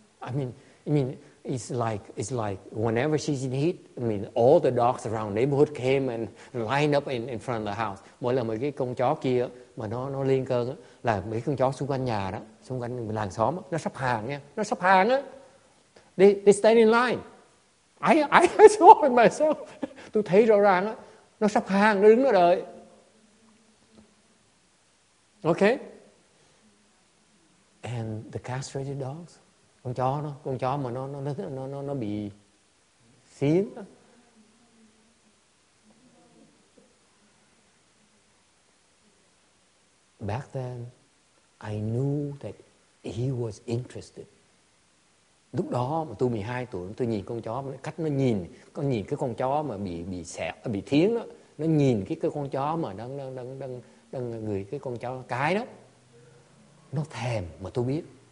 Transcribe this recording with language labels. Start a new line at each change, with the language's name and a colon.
English: I mean It's like whenever she's in heat, all the dogs around neighborhood came and lined up in front of the house.
Vietnamese: Mỗi lần mấy cái con chó kia mà nó lên cơn đó, là mấy con chó xung quanh nhà đó, xung quanh làng xóm đó, nó sắp hàng á.
English: They stand in line. I saw it myself.
Vietnamese: Tôi thấy rõ ràng á, nó sắp hàng, nó đứng nó đợi.
English: Okay. And the castrated dogs.
Vietnamese: Con chó mà nó bị xiên.
English: Back then, I knew that he was interested.
Vietnamese: Lúc đó mà tôi 12 tuổi, tôi nhìn con chó, cách nó nhìn, con nhìn cái con chó mà bị xẹp, bị thiến đó, nó nhìn cái con chó mà đang người cái con chó cái đó, nó thèm mà tôi biết.